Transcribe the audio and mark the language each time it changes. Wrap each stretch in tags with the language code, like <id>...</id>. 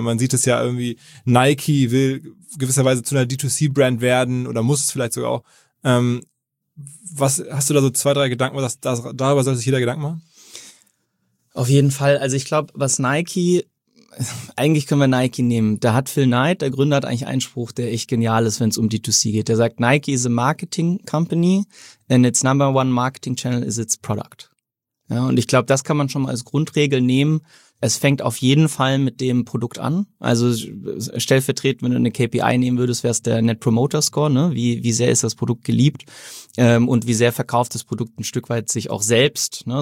<de>Man sieht es ja irgendwie, Nike will gewisserweise zu einer D2C-Brand werden oder muss es vielleicht sogar auch. Was hast du da so zwei, drei Gedanken, darüber soll sich jeder Gedanken machen? Auf jeden Fall. Also ich glaube, was Nike... Eigentlich können wir Nike nehmen. Da hat Phil Knight, der Gründer, hat eigentlich einen Spruch, der echt genial ist, wenn es um D2C geht. Der sagt,</de> <en>Nike is a marketing company and its number one marketing channel is its product.</en> <de>Ja, und ich glaube, das kann man schon mal als Grundregel nehmen. Es fängt auf jeden Fall mit dem Produkt an. Also stellvertretend, wenn du eine KPI nehmen würdest, wäre es der Net Promoter Score, ne? Wie sehr ist das Produkt geliebt? Und wie sehr verkauft das Produkt ein Stück weit sich auch selbst, ne?</de>